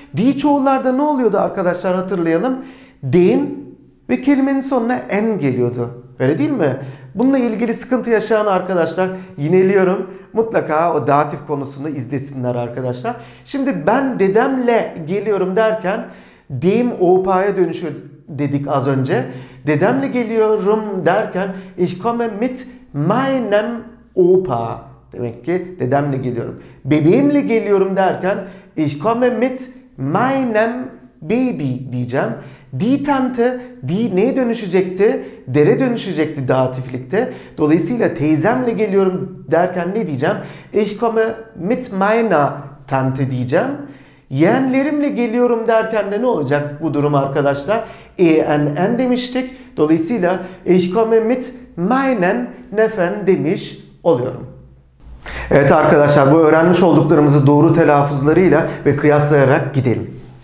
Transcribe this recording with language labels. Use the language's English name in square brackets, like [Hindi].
[Turkish] Die çoğullarda ne oluyordu arkadaşlar, hatırlayalım. Den ve kelimenin sonuna en geliyordu. Öyle değil mi? Bununla ilgili sıkıntı yaşayan arkadaşlar, yineliyorum, mutlaka o datif konusunu izlesinler arkadaşlar. Şimdi ben dedemle geliyorum derken deyim opa'ya dönüşüyor dedik az önce. Dedemle geliyorum derken [German] ich komme mit meinem opa. [Turkish] Demek ki dedemle geliyorum. Bebeğimle geliyorum derken [German] ich komme mit meinem baby [Turkish] diyeceğim. Die Tante, die neye dönüşecekti? Dere dönüşecekti datiflikte. Dolayısıyla teyzemle geliyorum derken ne diyeceğim? [German] Ich komme mit meiner Tante [Turkish] diyeceğim. Yeğenlerimle geliyorum derken de ne olacak bu durum arkadaşlar? E-N-N demiştik. Dolayısıyla [German] ich komme mit meinen Neffen [Turkish] demiş oluyorum. Evet arkadaşlar, bu öğrenmiş olduklarımızı doğru telaffuzlarıyla ve kıyaslayarak gidelim.